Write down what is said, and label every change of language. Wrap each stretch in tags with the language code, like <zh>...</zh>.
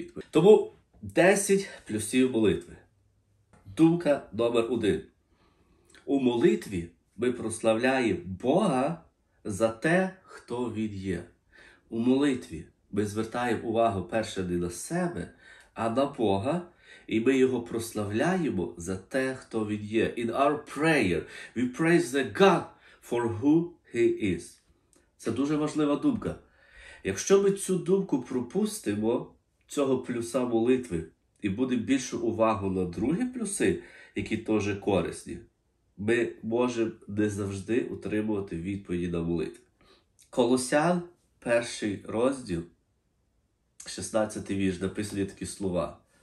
<uk>Тому 10 плюсів молитви. Думка номер 1. У молитві ми прославляємо Бога за те, хто Він є. У молитві ми звертаємо увагу перше не на себе, а на Бога, і ми Його прославляємо за те, хто Він є.</uk> <en>In our prayer, we praise the God for who He is.</en> <uk>Це дуже важлива думка. Якщо ми цю думку пропустимо, цього плюса молитви, і будемо більшу увагу на другі плюси, які теж корисні, ми можемо не завжди отримувати відповіді на молитви. Колосян, перший розділ, 16-й вірш, написані такі слова.</uk>